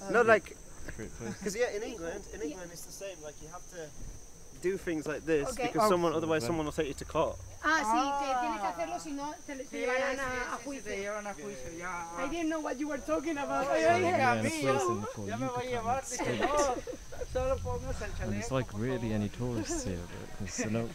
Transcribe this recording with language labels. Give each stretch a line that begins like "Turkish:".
English: No, like, because yeah, in England it's the same. Like, you have to do things like this because otherwise someone will take you to court.
Spanish: Ah, sí, que tienes que hacerlo, si no, te llevarán a juicio.
English: I didn't know what you were talking about. Oh, yeah. Yeah, yeah, yeah. Yeah. Yeah. Yeah. There's like really any tourists here, but it's a note.